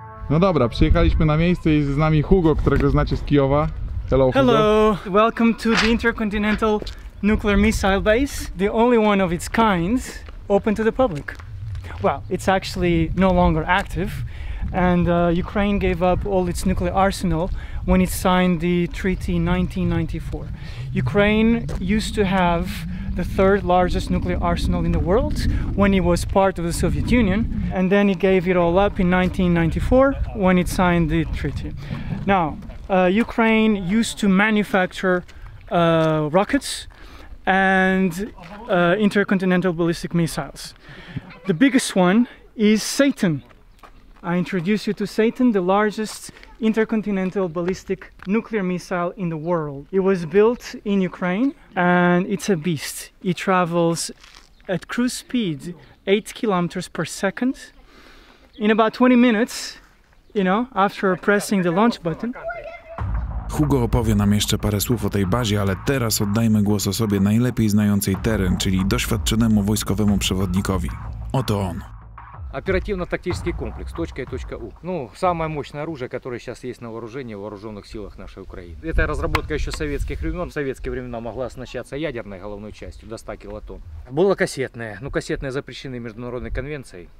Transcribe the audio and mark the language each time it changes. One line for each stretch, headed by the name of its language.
Polish: No dobra, przyjechaliśmy na miejsce i jest z nami Hugo, którego znacie z Kijowa.
English: Hello, Hugo. Hello, welcome to the intercontinental nuclear missile base, the only one of its kind, open to the public. Well, it's actually no longer active, and Ukraine gave up all its nuclear arsenal when it signed the treaty in 1994. Ukraine used to have the third largest nuclear arsenal in the world when it was part of the Soviet Union, and then it gave it all up in 1994 when it signed the treaty. Now, Ukraine used to manufacture rockets and intercontinental ballistic missiles. The biggest one is Satan. I introduce you to Satan, the largest intercontinental ballistic nuclear missile in the world. It was built in Ukraine and it's a beast. It travels at cruise speed 8 kilometers per second. In about 20 minutes, you know, after pressing the launch button.
Polish: Hugo opowie nam jeszcze parę słów o tej bazie, ale teraz oddajmy głos osobie najlepiej znającej teren, czyli doświadczonemu wojskowemu przewodnikowi. Oto on.
Russian: Оперативно-тактический комплекс, точка и точка У. Ну, самое мощное оружие, которое сейчас есть на вооружении в вооруженных силах нашей Украины. Эта разработка еще советских времен. В советские времена могла оснащаться ядерной головной частью до 100 килотонн. Было кассетное, но кассетные запрещены международной конвенцией.